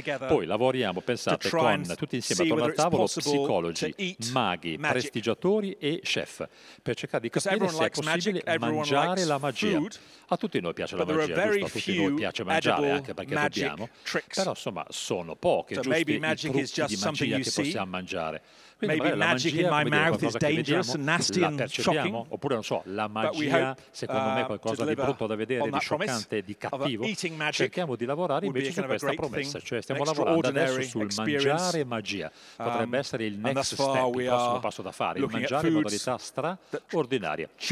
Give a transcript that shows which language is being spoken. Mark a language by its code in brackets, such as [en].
[it] Poi lavoriamo, pensate, con tutti insieme attorno al tavolo, psicologi, maghi, prestigiatori e chef, per cercare di capire se è possibile mangiare la magia. A tutti noi piace la magia, giusto? A tutti noi piace mangiare, anche perché dobbiamo. Però, insomma, sono poche, giusti, i trucchi di magia che possiamo mangiare. Quindi [en] maybe magic in my mouth is dangerous and nasty and shocking. [it] Oppure non so, la magia secondo me è qualcosa di brutto da vedere, di scioccante, di cattivo. Cerchiamo di lavorare invece su questa promessa, cioè stiamo lavorando adesso sul mangiare magia. Potrebbe essere il next step, il prossimo passo da fare, il mangiare in modalità straordinaria.